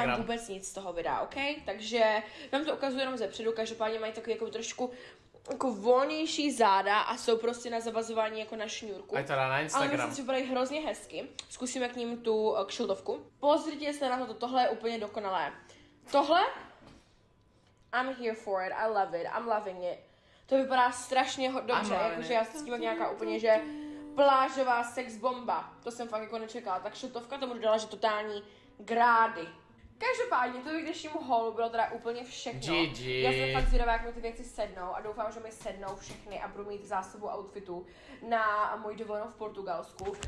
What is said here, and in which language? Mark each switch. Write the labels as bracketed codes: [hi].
[cs] Nemám vůbec nic z toho videa, ok? Takže vám to ukazuju jenom zepředu, každopádně mají takový jako trošku jako volnější záda a jsou prostě na zavazování jako na šňůrku. A teda na Instagram. Ale myslím, že byly hrozně hezky. Zkusíme k ním tu kšildovku. Pozrite se na to, tohle je úplně dokonalé. Tohle? [en] I'm here for it, I love it, I'm loving it. [cs] To vypadá strašně dobře, jakože já se s tím nějaká úplně, že plážová sex bomba. To jsem fakt jako nečekala, tak šiltovka tomu dodala, že totální grády. Každopádně, to by k dnešnímu holu bylo teda úplně všechno. GG. Já jsem fakt zvědavá, jak mi ty věci sednou a doufám, že mi sednou všechny a budu mít zásobu outfitu na můj dovolenou v Portugalsku.